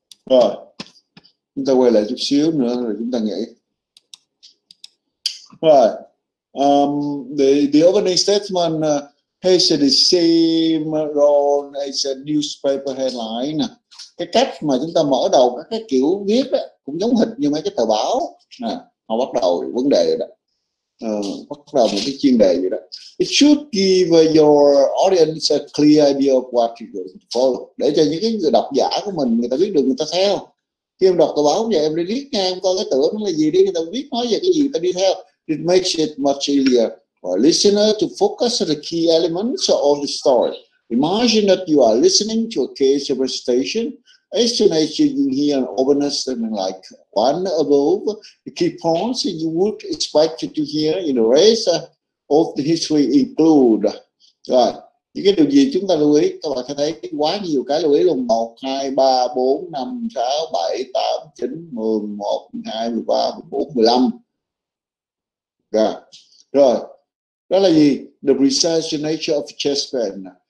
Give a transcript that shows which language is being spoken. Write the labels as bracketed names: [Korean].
[Vietnamese] Rồi, chúng ta quay lại chút xíu nữa rồi chúng ta nghỉ. [English] Right. The opening statement, has the same role as a newspaper headline. [Vietnamese] Cái cách mà chúng ta mở đầu các cái kiểu viết ấy, cũng giống hệt như mấy cái tờ báo. Nè, họ bắt đầu vấn đề rồi đó. Bắt đầu một cái chuyên đề gì đó. [English] It should give your audience a clear idea of what you're going to follow. [Vietnamese] Để cho những cái người đọc giả của mình, người ta biết được, người ta theo. Khi em đọc tờ báo vậy, em đi viết ngang, coi cái tưởng nó là gì đi, người ta biết nói về cái gì, người ta đi theo. [English] It makes it much easier for a listener to focus on the key elements of the story. Imagine that you are listening to a case presentation. As soon as you hear an opening statement like one above the key points you would expect to hear in the rest of the history include. [Vietnamese] Rồi, những cái điều gì chúng ta lưu ý, các bạn sẽ thấy quá nhiều cái lưu ý luôn. 1, 2, 3, 4, 5, 6, 7, 8, 9, 10, 11, 12, 13, 14, 15. Rồi, đó là gì? [English] The precise nature of chest pain.